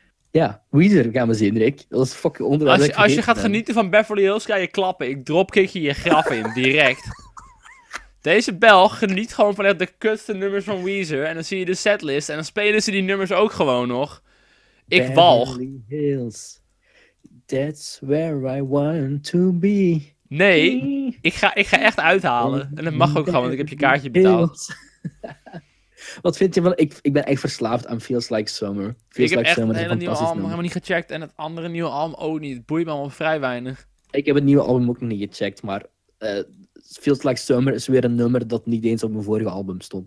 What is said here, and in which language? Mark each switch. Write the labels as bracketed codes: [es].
[nl] Ja, Weezer gaan we zien, Rick. Dat is fucking onderwijs. Als je gaat genieten van Beverly Hills, ga je klappen. Ik dropkick je graf in, direct. Deze Belg geniet gewoon van echt de kutste nummers van Weezer. En dan zie je de setlist en dan spelen ze die nummers ook gewoon nog. Ik walg. [en] Beverly Hills, that's where I want to be. [nl] Nee, ik ga echt uithalen. En dat mag ook gewoon, want ik heb je kaartje betaald. Wat vind je van... Ik ben echt verslaafd aan Feels Like Summer. Feels Like Summer is een fantastisch album. Ik heb het helemaal niet gecheckt. En het andere nieuwe album ook niet. Het boeit me allemaal vrij weinig. Ik heb het nieuwe album ook nog niet gecheckt. Maar Feels Like Summer is weer een nummer dat niet eens op mijn vorige album stond.